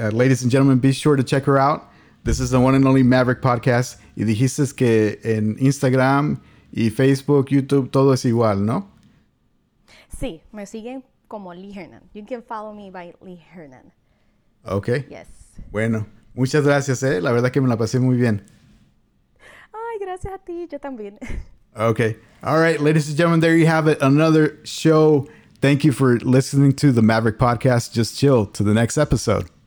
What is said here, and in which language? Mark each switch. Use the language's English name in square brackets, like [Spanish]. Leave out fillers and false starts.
[English] Ladies and gentlemen, be sure to check her out. This is the one and only Maverick Podcast. [Spanish] Y dijiste que en Instagram y Facebook, YouTube, todo es igual, ¿no? Sí, me siguen como Lee Hernan. [English] You can follow me by Lee Hernan. Ok, Yes. [Spanish] bueno, muchas gracias, ¿eh? La verdad que me la pasé muy bien. Gracias a ti, yo también. [English] Ok, all right, ladies and gentlemen, there you have it, another show. Thank you for listening to the Maverick Podcast. Just chill to the next episode.